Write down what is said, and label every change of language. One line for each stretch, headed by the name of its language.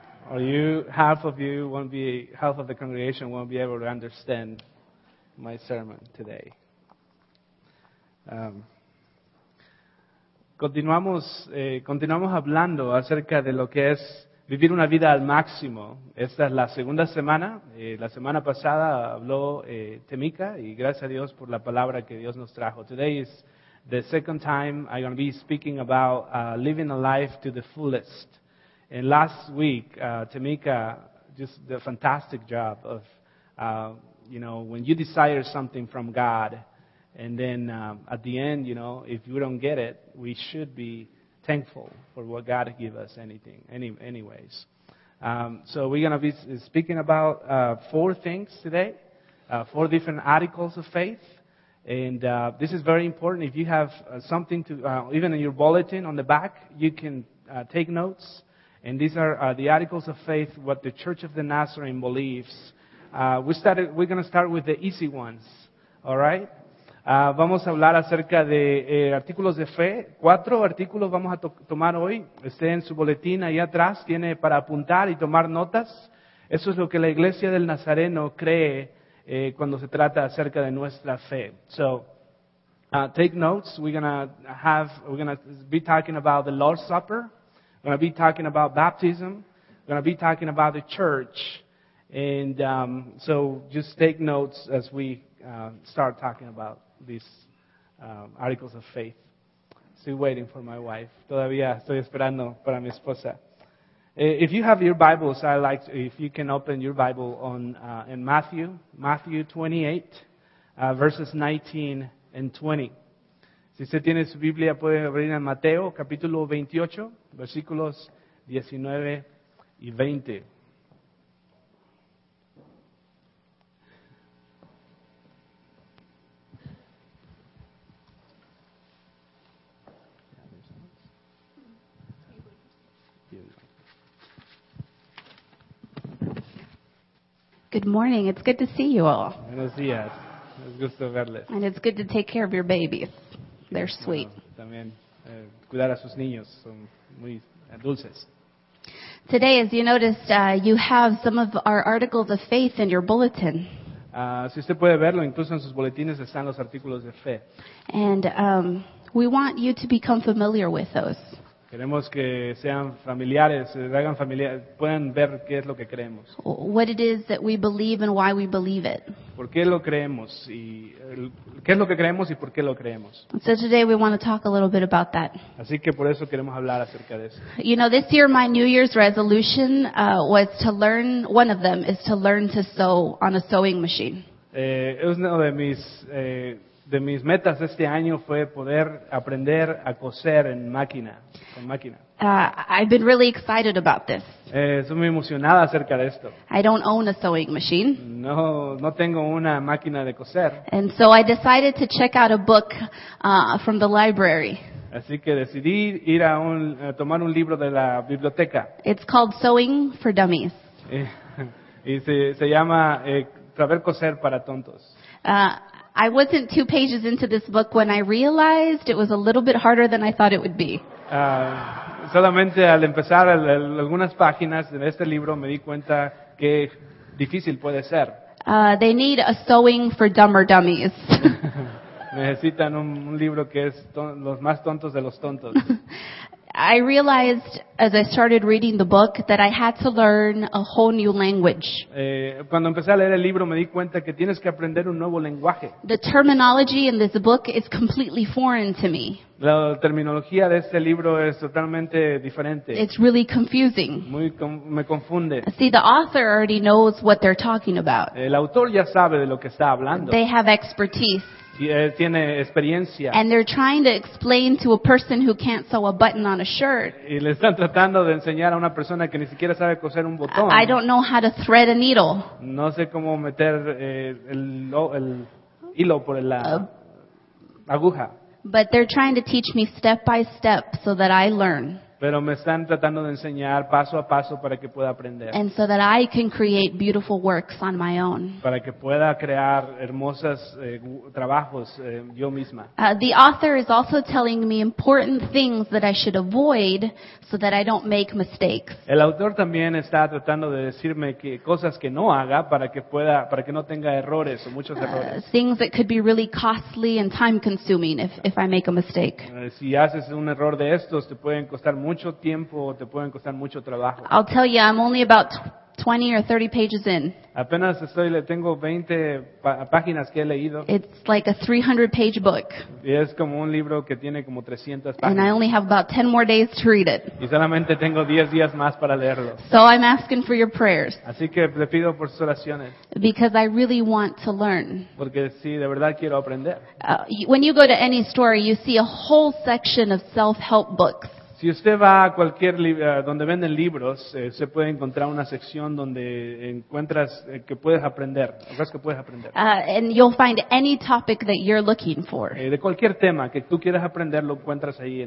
English: Or you, half of you won't be, half of the congregation won't be able to understand my sermon today.
Spanish: Continuamos hablando acerca de lo que es vivir una vida al máximo. Esta es la segunda semana. La semana pasada habló Temica, y gracias a Dios por la palabra que Dios nos trajo.
English: Today is the second time I'm going to be speaking about living a life to the fullest. And last week, Temica just did a fantastic job of, you know, when you desire something from God, and then at the end, you know, if you don't get it, we should be thankful for what God gave us anyways. So we're going to be speaking about four things today, four different articles of faith. And this is very important. If you have something to, even in your bulletin on the back, you can take notes. And these are the articles of faith, what the Church of the Nazarene believes. We're going to start with the easy ones, all right?
Spanish: Vamos a hablar acerca de artículos de fe. Cuatro artículos vamos a tomar hoy. Esté en su boletín ahí atrás, tiene para apuntar y tomar notas. Eso es lo que la Iglesia del Nazareno cree cuando se trata acerca de nuestra fe.
English: So, take notes. We're gonna be talking about the Lord's Supper. We're gonna be talking about baptism. We're gonna be talking about the church. And so, just take notes as we start talking about these articles of faith. Still waiting for my wife.
Spanish: Todavía estoy esperando para mi esposa.
English: If you have your Bibles, I'd like to, if you can open your Bible on in Matthew 28, verses 19 and 20.
Spanish: Si usted tiene su Biblia, puede abrir en Mateo, capítulo 28, versículos 19 y 20.
English: Good morning. It's good to see you all.
Spanish: Buenos días. Es gusto verles.
English: And it's good to take care of your babies. They're sweet.
Spanish: También cuidar a sus niños. Son muy dulces.
English: Today, as you noticed, you have some of our articles of faith in your bulletin.
Spanish: Si usted puede verlo, incluso en sus boletines están los artículos de fe.
English: And we want you to become familiar with those.
Spanish: Queremos que sean familiares, se hagan familiares, puedan ver qué es lo que creemos.
English: What it is that we believe and why we believe it.
Spanish: ¿Por qué lo creemos? Y, ¿qué es lo que creemos y por qué lo creemos?
English: So today we want to talk a little bit about that.
Spanish: Así que por eso queremos hablar acerca de eso.
English: You know, this year my New Year's resolution was to learn, one of them is to learn to sew on a sewing machine.
Spanish: Es uno de mis... De mis metas de este año fue poder aprender a coser en máquina, con máquina.
English: I've been really excited about this.
Spanish: Estoy muy emocionada acerca de esto.
English: I don't own a sewing machine.
Spanish: No tengo una máquina de coser.
English: And so I decided to check out a book from the library.
Spanish: Así que decidí ir a tomar un libro de la biblioteca.
English: It's called Sewing for Dummies.
Spanish: Y se llama Saber Coser para Tontos.
English: I wasn't two pages into this book when I realized it was a little bit harder than I thought it would be.
Spanish: Solamente al empezar algunas páginas de este libro me di cuenta que difícil puede ser.
English: They need a sewing for dumber dummies.
Spanish: Necesitan un libro que es los más tontos de los tontos.
English: I realized as I started reading the book that I had to learn a whole new language.
Spanish: Cuando empecé a leer el libro me di cuenta que tienes que aprender un nuevo lenguaje.
English: The terminology in this book is completely foreign to me.
Spanish: La terminología de este libro es totalmente diferente.
English: It's really confusing.
Spanish: Me confunde.
English: See, the author already knows what they're talking about.
Spanish: El autor ya sabe de lo que está hablando.
English: They have expertise.
Spanish: Tiene experiencia.
English: And they're trying to explain to a person who can't sew a button on a shirt.
Spanish: Y le están tratando de enseñar a una persona que ni siquiera sabe coser un botón.
English: I don't know how to thread a needle.
Spanish: No sé cómo meter el hilo por la aguja.
English: But they're trying to teach me step by step so that I learn.
Spanish: Pero me están tratando de enseñar paso a paso para que pueda aprender.
English: And so that I can create beautiful works on my own.
Spanish: Para que pueda crear hermosas trabajos yo misma.
English: The author is also telling me important things that I should avoid so that I don't make mistakes.
Spanish: El autor también está tratando de decirme que cosas que no haga para que no tenga errores o muchos errores.
English: Things that could be really costly and time consuming if I make a mistake.
Spanish: Si haces un error de estos te pueden costar mucho tiempo, te pueden costar mucho trabajo.
English: I'll tell you, I'm only about 20 or 30 pages in.
Spanish: Apenas estoy, tengo 20 páginas que he leído.
English: It's like a 300-page book.
Spanish: Y es como un libro que tiene como 300 páginas.
English: And I only have about 10 more days to read it.
Spanish: Y solamente tengo 10 días más para leerlo.
English: So I'm asking for your prayers.
Spanish: Así que le pido por sus oraciones.
English: Because I really want to learn.
Spanish: Porque sí, de verdad quiero aprender.
English: When you go to any store, you see a whole section of self-help books.
Spanish: Si usted va a cualquier donde venden libros, se puede encontrar una sección donde encuentras que puedes aprender, cosas que puedes aprender.
English: And you'll find any topic that you're looking for.
Spanish: De cualquier tema que tú quieras aprender lo encuentras ahí.